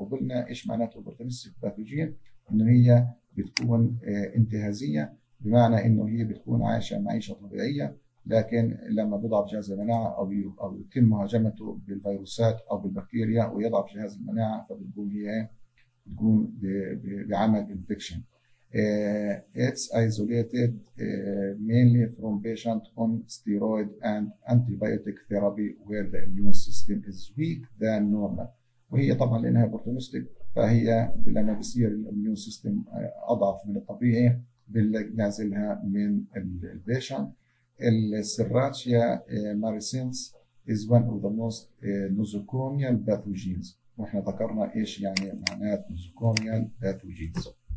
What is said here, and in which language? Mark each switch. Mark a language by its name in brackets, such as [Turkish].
[Arabic] وقلنا ايش معناته اوبورتونيستيك باثوجين؟ انه هي بتكون انتهازيه، بمعنى انه هي بتكون عايشه معيشه طبيعيه، لكن لما بيضعف جهاز المناعه او يتم مهاجمته بالفيروسات او بالبكتيريا ويضعف جهاز المناعه، فبتقوم هي بتقوم بعمل انفكشن. [English] It's isolated mainly from patients on steroid and antibiotic therapy where the immune system is weak than normal. [Arabic] وهي طبعا لانها opportunistic، فهي لما بصير الاميون سيستم اضعف من الطبيعي بنعزلها من البيشنت. [English] السيراتشيا marcescens is one of the most nosocomial pathogens, [Arabic] واحنا ذكرنا ايش يعني معنات [English] Nosocomial pathogens.